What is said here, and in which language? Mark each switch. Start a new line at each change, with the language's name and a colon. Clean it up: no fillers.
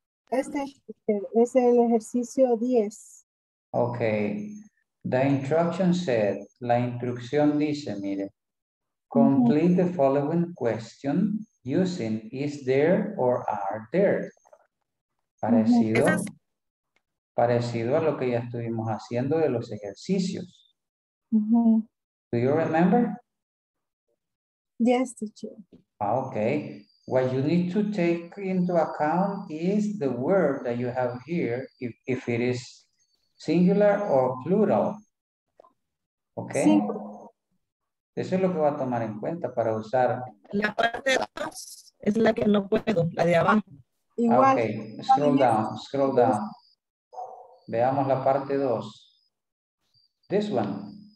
Spanish: Es el ejercicio 10. Okay.
English: The instruction said,
Spanish: la instrucción dice, mire,
English: complete the following question using is there or are there.
Spanish: Parecido. Parecido a lo que ya estuvimos haciendo de los ejercicios.
English: Do you remember? Yes, teacher. Okay. What you need to take into account is the word that you have here, if it is singular or plural. Okay. Sí.
Spanish: Eso es lo que va a tomar en cuenta para usar. La parte de atrás es la que no puedo, la de abajo. Igual. Okay.
English: Scroll down.
Spanish: Veamos la parte 2.
English: This one.